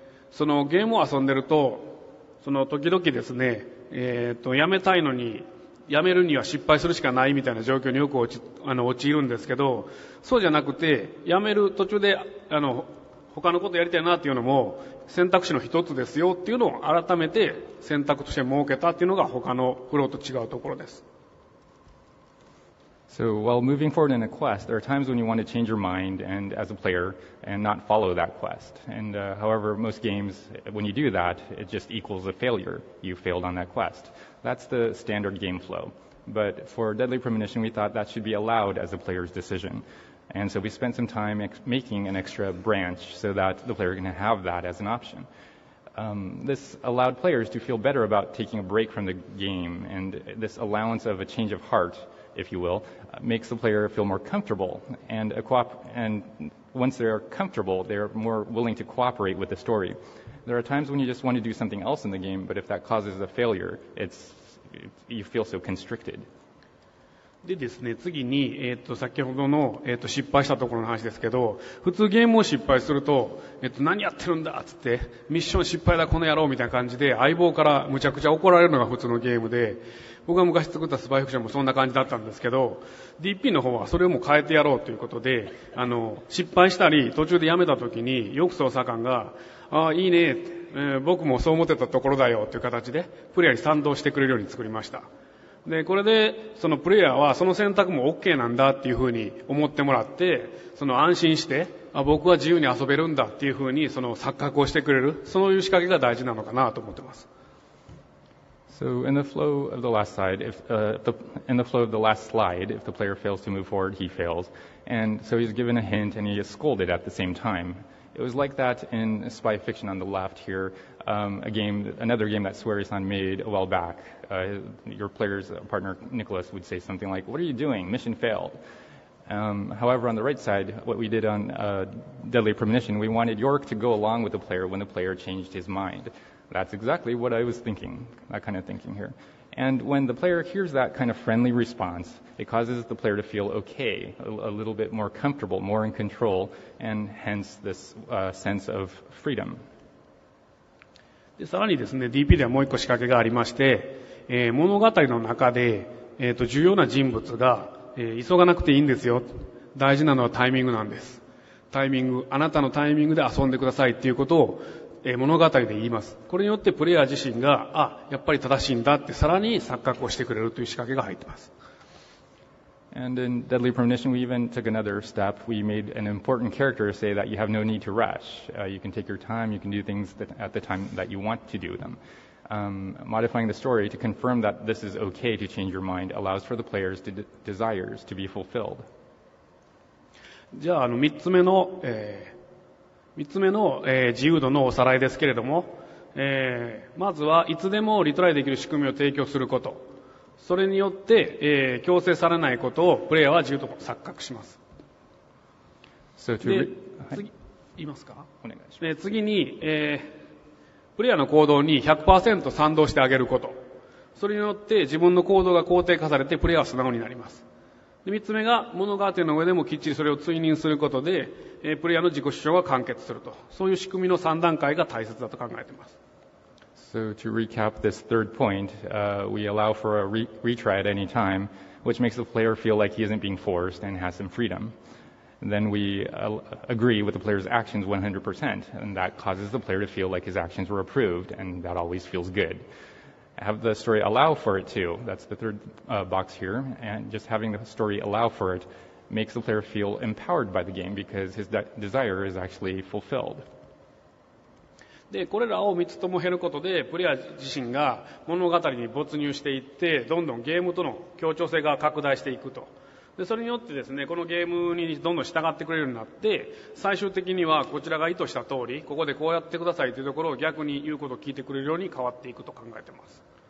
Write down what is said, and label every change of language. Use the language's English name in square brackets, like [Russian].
[Japanese] そのゲームを遊んでると、その時々ですね、やめたいのに、やめるには失敗するしかないみたいな状況によく陥るんですけど、そうじゃなくて、やめる途中で、他のことやりたいなっていうのも選択肢の一つですよっていうのを改めて選択として設けたっていうのが他のフローと違うところです。 [English] So while moving forward in a quest, there are times when you want to change your mind and as a player and not follow that quest. And however, most games, when you do that, it just equals a failure. You failed on that quest. That's the standard game flow. But for Deadly Premonition, we thought that should be allowed as a player's decision. And so we spent some time making an extra branch so that the player can have that as an option. This allowed players to feel better about taking a break from the game, and this allowance of a change of heart, if you will, makes the player feel more comfortable. And once they're comfortable, they're more willing to cooperate with the story. There are times when you just want to do something else in the game, but if that causes a failure, you feel so constricted. [Japanese] でですね、次に、先ほどの、失敗したところの話ですけど、普通ゲームを失敗すると、何やってるんだっつって、ミッション失敗だこの野郎みたいな感じで、相棒からむちゃくちゃ怒られるのが普通のゲームで、僕が昔作ったスパイフィクションもそんな感じだったんですけど、DP の方はそれをもう変えてやろうということで、失敗したり途中でやめた時に、よく捜査官が、ああ、いいね、僕もそう思ってたところだよという形で、プレイヤーに賛同してくれるように作りました。でこれでそのプレイヤーはその選択も OK なんだっていうふうに思ってもらって、その安心して、あ、僕は自由に遊べるんだっていうふうにその錯覚をしてくれる、そういう仕掛けが大事なのかなと思ってます。 [English] So in the flow of the last slide, in the flow of the last slide, if the player fails to move forward, he fails. And so he's given a hint and he is scolded at the same time. It was like that in Spy Fiction on the left here,another game that Sueri-san made a while back. Your player's partner, Nicholas, would say something like, what are you doing? Mission failed. However, on the right side, what we did on Deadly Premonition, we wanted York to go along with the player when the player changed his mind. That's exactly what I was thinking, that kind of thinking here. And when the player hears that kind of friendly response, it causes the player to feel okay, a little bit more comfortable, more in control, and hence this sense of freedom. [Japanese] でさらにですね、DP ではもう一個仕掛けがありまして、物語の中で、重要な人物が、急がなくていいんですよ。大事なのはタイミングなんです。タイミング、あなたのタイミングで遊んでくださいっていうことを、物語で言います。これによってプレイヤー自身が、あ、やっぱり正しいんだってさらに錯覚をしてくれるという仕掛けが入ってます。 [English] And in Deadly Premonition, we even took another step. We made an important character say that you have no need to rush. You can take your time, you can do things that at the time that you want to do them. Modifying the story to confirm that this is okay to change your mind allows for the player's desires to be fulfilled. [Japanese] じゃあ、3つ目の、自由度のおさらいですけれども、まずはいつでもリトライできる仕組みを提供すること。それによって、強制されないことをプレイヤーは自由と錯覚します。 So、で、次、言いますか？お願いします。次に、プレイヤーの行動に 100% 賛同してあげること。それによって自分の行動が肯定化されてプレイヤーは素直になります。で、3つ目が物語の上でもきっちりそれを追認することで、プレイヤーの自己主張が完結すると。そういう仕組みの3段階が大切だと考えています。 [English] So to recap this third point, we allow for a retry at any time, which makes the player feel like he isn't being forced and has some freedom. And then we agree with the player's actions 100%, and that causes the player to feel like his actions were approved, and that always feels good. Have the story allow for it too, that's the third box here, and just having the story allow for it makes the player feel empowered by the game because his desire is actually fulfilled. [Japanese] で、これらを3つとも減ることで、プレイヤー自身が物語に没入していって、どんどんゲームとの協調性が拡大していくと。で、それによってですね、このゲームにどんどん従ってくれるようになって、最終的にはこちらが意図した通り、ここでこうやってくださいというところを逆に言うことを聞いてくれるように変わっていくと考えています。